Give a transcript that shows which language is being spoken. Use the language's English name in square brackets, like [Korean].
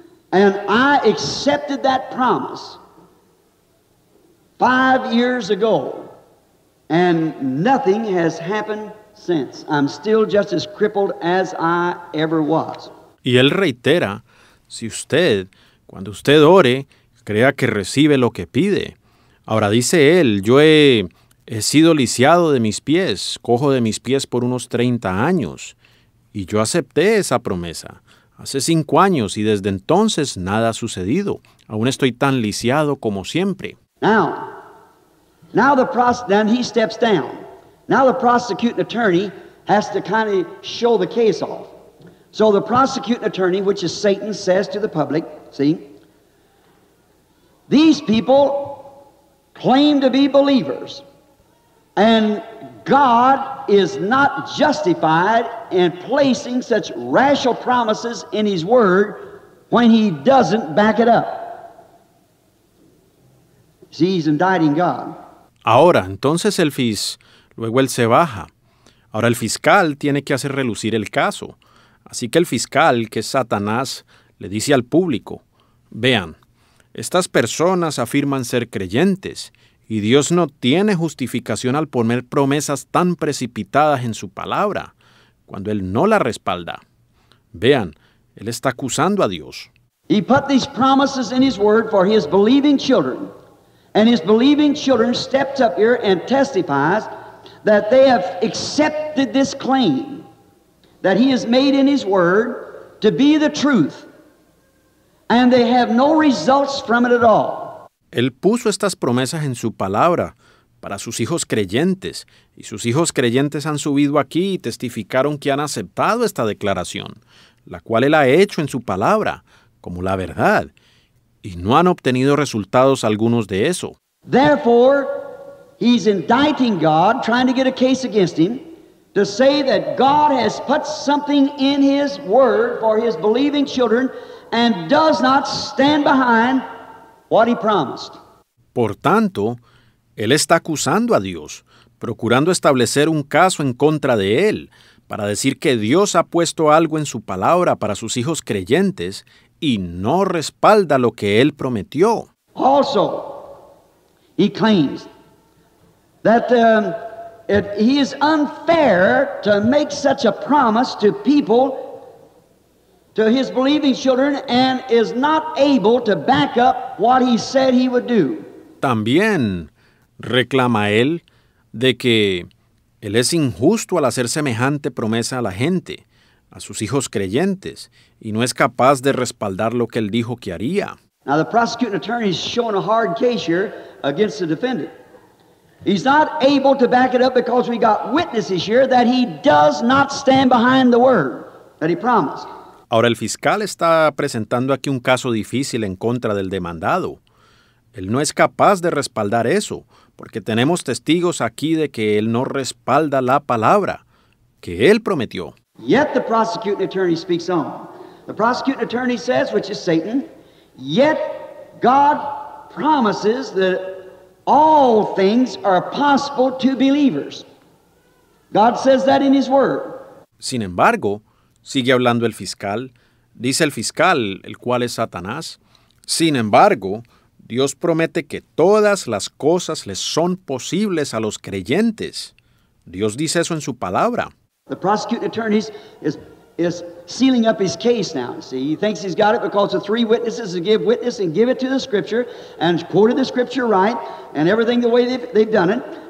[English] And I accepted that promise 5 years ago, and nothing has happened since. I'm still just as crippled as I ever was. [Spanish] Y él reitera, si usted, cuando usted ore, crea que recibe lo que pide. Ahora dice él, yo he sido lisiado de mis pies, cojo de mis pies por unos 30 años, y yo acepté esa promesa. Hace 5 años y desde entonces nada ha sucedido. Aún estoy tan lisiado como siempre. [English] Then he steps down. Now the prosecuting attorney has to kind of show the case off. So the prosecuting attorney, which is Satan, says to the public, see, these people claim to be believers, and God is not justified in placing such rash promises in his word when he doesn't back it up. See, he's indicting God. [Spanish] Ahora, entonces el fiscal, luego él se baja. Ahora el fiscal tiene que hacer relucir el caso. Así que el fiscal, que es Satanás, le dice al público, vean, estas personas afirman ser creyentes, y Dios no tiene justificación al poner promesas tan precipitadas en su palabra, cuando Él no la respalda. Vean, Él está acusando a Dios. [English] He put these promises in His word for His believing children. And His believing children stepped up here and testifies that they have accepted this claim that He has made in His word to be the truth. And they have no results from it at all. [Spanish] Él puso estas promesas en su palabra para sus hijos creyentes, y sus hijos creyentes han subido aquí y testificaron que han aceptado esta declaración, la cual él ha hecho en su palabra como la verdad, y no han obtenido resultados algunos de eso. [English] Therefore, he's indicting God, trying to get a case against him, to say that God has put something in his word for his believing children and does not stand behind what he promised. [Spanish] Por tanto, él está acusando a Dios, procurando establecer un caso en contra de él, para decir que Dios ha puesto algo en su palabra para sus hijos creyentes y no respalda lo que él prometió. [English] Also, he claims that he is unfair to make such a promise to people, to his believing children, and is not able to back up what he said he would do. [Spanish] También reclama él de que él es injusto al hacer semejante promesa a la gente, a sus hijos creyentes, y no es capaz de respaldar lo que él dijo que haría. [English] Now the prosecuting attorney is showing a hard case here against the defendant. He's not able to back it up because we got witnesses here that he does not stand behind the word that he promised. [Spanish] Ahora, el fiscal está presentando aquí un caso difícil en contra del demandado. Él no es capaz de respaldar eso, porque tenemos testigos aquí de que él no respalda la palabra que él prometió. [English] Yet the prosecuting attorney speaks on. The prosecuting attorney says, which is Satan, yet God promises that all things are possible to believers. God says that in his word. [Spanish] Sin embargo, sigue hablando el fiscal. Dice el fiscal, el cual es Satanás. Sin embargo, Dios promete que todas las cosas les son posibles a los creyentes. Dios dice eso en su palabra. [English] The prosecuting attorney is sealing up his case now. See, he thinks he's got it because the three witnesses to give witness and give it to the scripture and quoted the scripture right and everything the way they've done it.